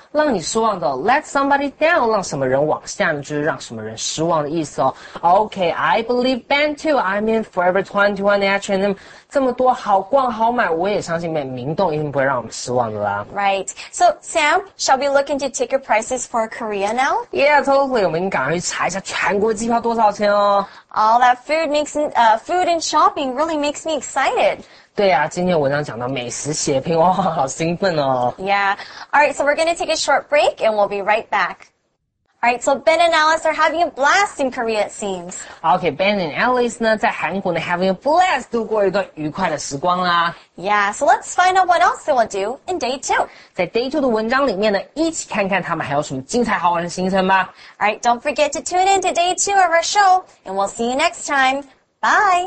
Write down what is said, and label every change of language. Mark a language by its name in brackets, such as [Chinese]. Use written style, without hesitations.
[Chinese] 让你失望的 [English] let somebody down [Chinese] 让什么人往下就是让什么人失望的意思哦 [English] OK I believe Ben too I mean [Chinese] Forever 21 H&M 这么多好逛好买我也相信每明洞一定不会让我们失望的啦 [English] Right So Sam shall we look into ticket prices for Korea now? Yeah totally [Chinese] 我们赶快去查一下全国机票多少钱哦 [English] All that food makes food and shopping really makes me excited [Chinese] 对啊今天文章讲到美食血拼哇好兴奋哦 [English] Yeah Alright so we're gonna take a short break and we'll be right back Alright so Ben and Alice are having a blast in Korea it seems [Chinese] Okay Ben and Alice 呢在韩国呢 [English] having a blast [Chinese] 度过一段愉快的时光啦 [English] Yeah so let's find out what else they will do in day 2 [Chinese] 在 day 2的文章里面呢一起看看他们还有什么精彩好玩的行程吧 [English] Alright don't forget to tune in to day 2 of our show and we'll see you next time Bye